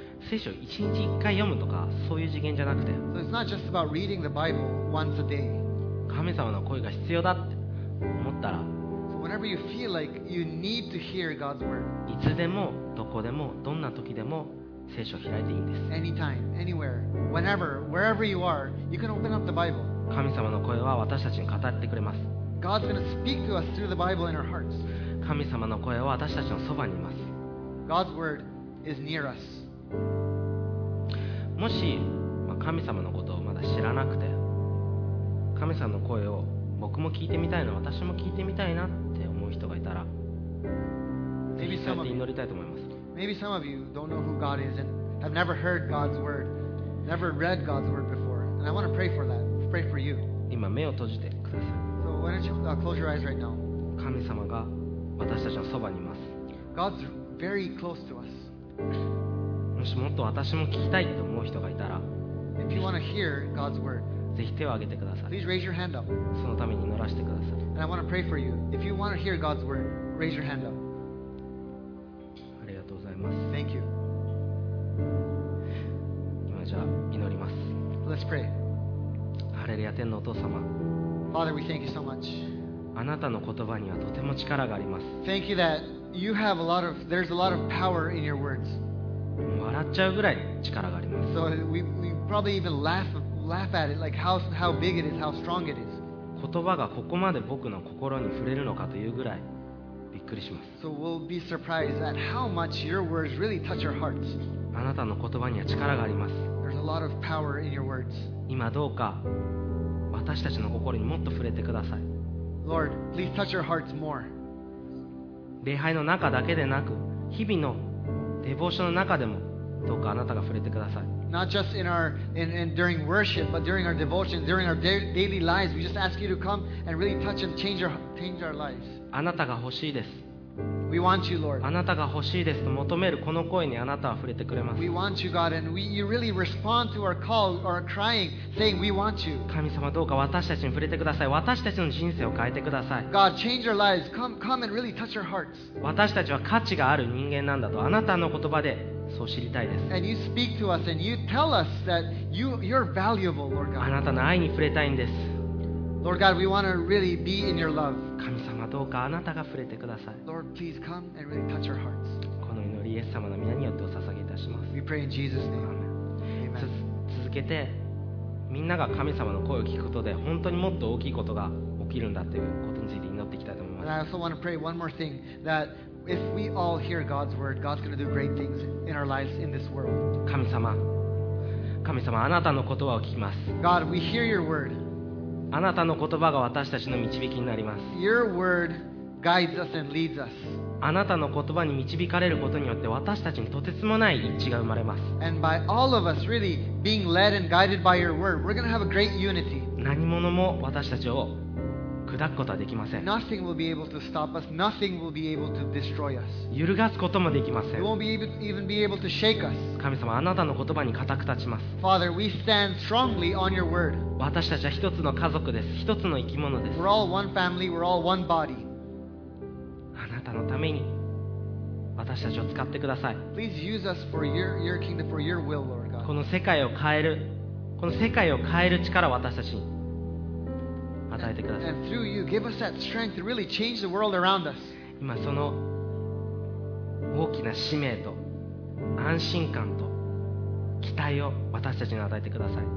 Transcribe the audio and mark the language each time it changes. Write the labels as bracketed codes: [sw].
[ja] 聖書を1日1回読むとかそういう次元じゃなくて、 [en] so、it's not just about reading the Bible once a day. [ja] 神様の声が必要だって思ったら、 [en] so whenever you feel like、you need to hear God's word. [ja] いつでもどこでもどんな時でも聖書を開いていいんです。 [en] Anytime, anywhere, whenever, wherever you are, you can open up the Bible. [ja] 神様の声は私たちに語ってくれます。 [en] God's going to speak to us through the Bible in our hearts. [ja] 神様の声は私たちのそばにいます。 [en] God's word is near us. [ja] もし、まあ、神様のことをまだ知らなくて、神様の声を僕も聞いてみたいな、私も聞いてみたいなって思う人がいたら、ぜひそうやって祈りたいと思います。 [en] Maybe some of you don't know who God is and have never heard God's word, never read God's word before. And I want to pray for that. Pray for you. [ja] 今目を閉じてください。 [en] So why don't you close your eyes right now? [ja] 神様が私たちのそばにいます。 [en] God's very close to us. [ja] もしもっと私も聞きたいと思う人がいたら、 [en] If you want to hear God's word, [ja] ぜひ手を挙げてください。 [en] Please raise your hand up. [ja] そのために祈らせてください。 [en] And I want to pray for you. If you want to hear God's word, raise your hand up. [ja] ありがとうございます。 [en] Thank you. [ja] 今じゃあ祈ります。 [en] Let's pray. [ja] ハレルヤ天のお父様。 [en] Father, we thank you so much. [ja] あなたの言葉にはとても力があります。 [en] Thank you that you have a lot of, there's a lot of power in your words. [ja] 笑っちゃうぐらい力があります。 [en] So we probably even laugh at it, like how big it is, how strong it is. [ja] 言葉がここまで僕の心に触れるのかというぐらいびっくりします。 [en] So we'll be surprised at how much your words really touch our hearts. [ja] あなたの言葉には力があります。 [en] There's a lot of power in your words. [ja] 今どうか私たちの心にもっと触れてください。 [en] Lord, please touch our hearts more. [ja] 礼拝の中だけでなく日々のデボーションの中でもどうかあなたが触れてください。 [en] Not just in our in during worship, but during our devotion, during our daily lives, we just ask you to come and really touch and change our lives. [ja] あなたが欲しいです。 [en] We want you, Lord. [ja] あなたが欲しいですと求めるこの声にあなたは触れてくれます。 [en] We want you, God, and you really respond to our call, our crying, saying, "We want you." [ja] 神様どうか私たちに触れてください。私たちの人生を変えてください。 [en] God, change our lives. Come and really touch our hearts. [ja] 私たちは価値がある人間なんだとあなたの言葉でそう知りたいです。 [en] And you speak to us and you tell us that you're valuable, Lord God. [ja] あなたの愛に触れたいんです。 [en] Lord God, we want to really be in your love. [ja] 神様どうかあなたが触れてください。 [en] Lord, please come and really touch our hearts. [ja] この祈りイエス様の名によってお捧げいたします。 [en] We pray in Jesus' name. Amen. [ja] 続けて、みんなが神様の声を聞くことで本当にもっと大きいことが起きるんだということについて祈っていきたいと思います。 [en] And I also want to pray one more thing that if we all hear God's word, God's going to do great things in our lives in this world. [ja] 神様あなたの言葉を聞きます。 [en] God, we hear your word. [ja] あなたの言葉が私たちの導きになります。 [en] Your word guides us and leads us. [ja] あなたの言葉に導かれることによって私たちにとてつもない一致が生まれます。 [en] And by all of us really being led and guided by your word, we're going to have a great unity. [ja] 何者も私たちを砕くことはできません。 [en] Nothing will be able to stop us. Nothing will be able to destroy us. [ja] 揺るがすこともできません。 [en] We won't be able to shake us. [ja] 神様、あなたの言葉に固く立ちます。 [en] Father, we stand strongly on your word. [ja] 私たちは一つの家族です。一つの生き物です。 [en] We're all one family. We're all one body. [ja] あなたのために私たちを使ってください。 [en] Please use us for your kingdom, for your will, Lord God. [ja] この世界を変える力を私たちに。 [en] And through you, give us that strength to really change the world around us. [ja] 今その大きな使命と安心感と期待を私たちに与えてください。